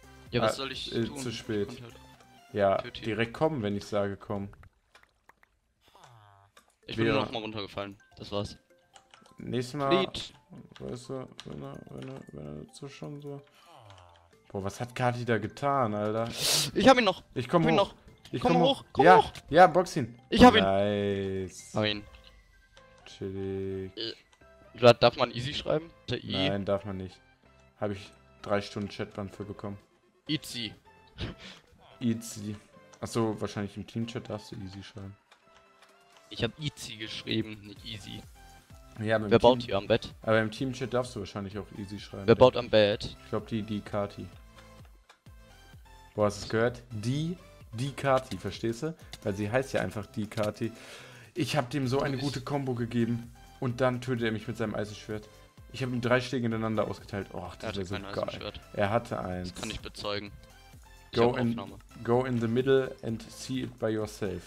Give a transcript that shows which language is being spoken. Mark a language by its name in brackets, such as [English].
[German] Ja, was soll ich tun? Zu spät. Halt ja, direkt kommen, wenn ich sage kommen. Ich bin nur noch mal runtergefallen. Das war's. Nächstes Mal, Fleet. Weißt du, wenn er dazu schon so... Boah, was hat Kati da getan, Alter? Ich hab ihn noch! Ich komm ich hoch! Noch. Ich komm, komm hoch! Komm ja. Hoch! Ja, box ihn! Ich hab ihn! Nice! Hab ihn! Chillig! Darf man easy schreiben? Der I. Nein, darf man nicht. Hab ich 3 Stunden Chatband für bekommen. Itzy! Itzy! Achso, wahrscheinlich im Teamchat darfst du easy schreiben. Ich hab Itzy geschrieben, nicht easy. Ja, wer baut Team, hier am Bett? Aber im Teamchat darfst du wahrscheinlich auch easy schreiben. Wer baut am Bett? Ich glaube die Kati. Boah, hast du es gehört? Die Kati, verstehst du? Weil sie heißt ja einfach die Kati. Ich habe dem so eine gute Combo gegeben. Und dann tötet er mich mit seinem Eisenschwert. Ich habe ihm 3 Schläge ineinander ausgeteilt. Och, das wäre so geil. Er hatte eins. Das kann ich bezeugen. [English] Go in the middle and see it by yourself.